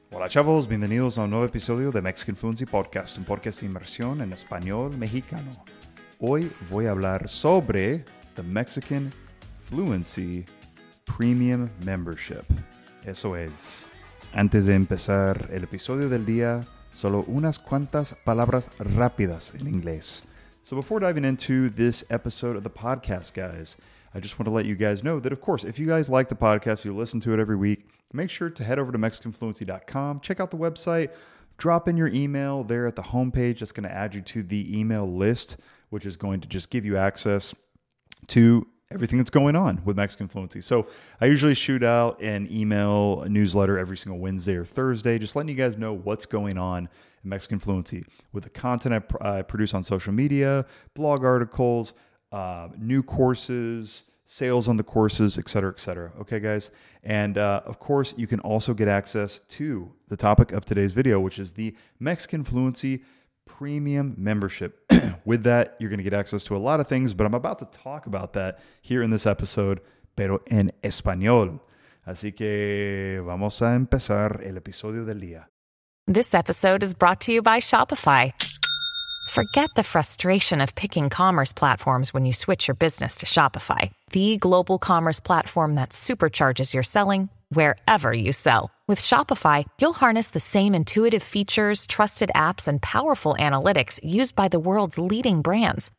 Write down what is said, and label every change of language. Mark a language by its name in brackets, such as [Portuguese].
[Spanish] Hola chavos, bienvenidos a un nuevo episodio de Mexican Fluency Podcast, un podcast de inmersión en español mexicano. Hoy voy a hablar sobre The Mexican Fluency Premium Membership. Eso es. Antes de empezar el episodio del día, solo unas cuantas palabras rápidas en inglés. [English] So before diving into this episode of the podcast, guys, I just want to let you guys know that, of course, if you guys like the podcast, you listen to it every week, make sure to head over to MexicanFluency.com, check out the website, drop in your email there at the homepage. That's going to add you to the email list, which is going to just give you access to everything that's going on with Mexican Fluency. So I usually shoot out an email newsletter every single Wednesday or Thursday, just letting you guys know what's going on in Mexican Fluency with the content I produce on social media, blog articles, new courses, sales on the courses, et cetera, et cetera. Okay, guys. And of course, you can also get access to the topic of today's video, which is the Mexican Fluency Premium Membership. With that, you're going to get access to a lot of things, but I'm about to talk about that here in this episode, [Spanish] pero en español. Así que vamos a empezar el episodio del día. [English] This episode is brought to you by Shopify. Forget the frustration of picking commerce platforms when you switch your business to Shopify, the global commerce platform that supercharges your selling wherever you sell. With Shopify, you'll harness the same intuitive features, trusted apps, and powerful analytics used by the world's leading brands.